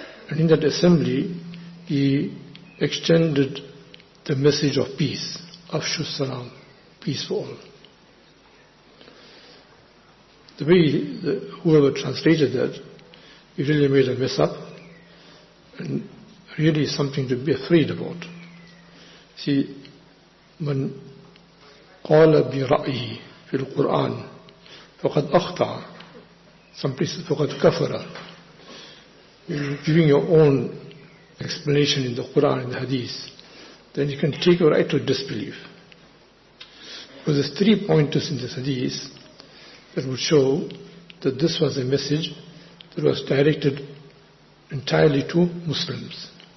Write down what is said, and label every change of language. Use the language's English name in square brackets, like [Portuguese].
[English] And in that assembly, he extended the message of peace, afshu salam, peace for all. The way whoever translated that, he really made a mess up, and really something to be afraid about. See, when [Arabic] قَالَ بِرَأْيِهِ فِي الْقُرْآنِ فَقَدْ أَخْطَعَ. [English] Some places, [Arabic] فَقَدْ كَفَرَ. [English] You're giving your own explanation in the Qur'an, in the Hadith, then you can take your right to disbelief. Because there's three pointers in this Hadith that would show that this was a message that was directed entirely to Muslims.